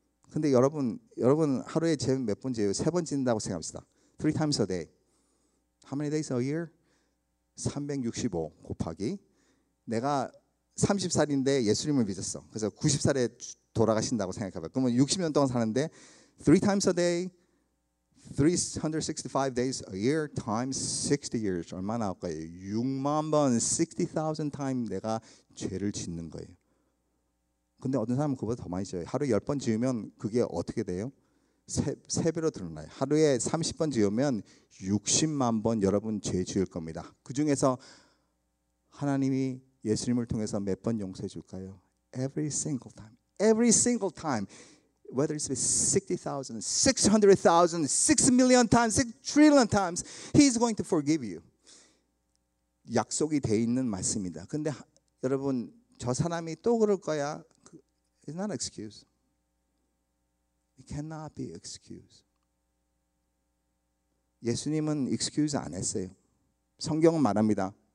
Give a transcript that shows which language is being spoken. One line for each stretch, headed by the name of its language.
Korean: 근데 여러분 하루에 제 몇 번 재요? 세 번 짓는다고 생각합시다.
English: Three times a day. How many days a year? 365 곱하기.
Korean: 내가 30살인데 예수님을 믿었어. 그래서 90살에 돌아가신다고 생각해봐. 그러면 60년 동안 사는데
English: three times a day, 365 days a year times 60 years.
Korean: 얼마 나올까요? 6만 번, 60,000 times 내가 죄를 짓는 거예요. 근데 어떤 사람은 그보다 더 많이 지어요. 하루에 10번 지으면 그게 어떻게 돼요? 3배로 늘어나요. 하루에 30번 지으면 60만 번 여러분 죄 지을 겁니다. 그 중에서 하나님이 예수님을 통해서 몇 번 용서해 줄까요?
English: Every single time. Every single time. Whether it's 60,000, 600,000, 6 million times, 6 trillion times, He's going to forgive you.
Korean: 약속이 돼 있는 말씀입니다. 근데 여러분, 저 사람이 또 그럴 거야?
English: It's not an excuse. It cannot be an excuse.
Korean: 예수님은 excuse 안 했어요. 성경은 말합니다.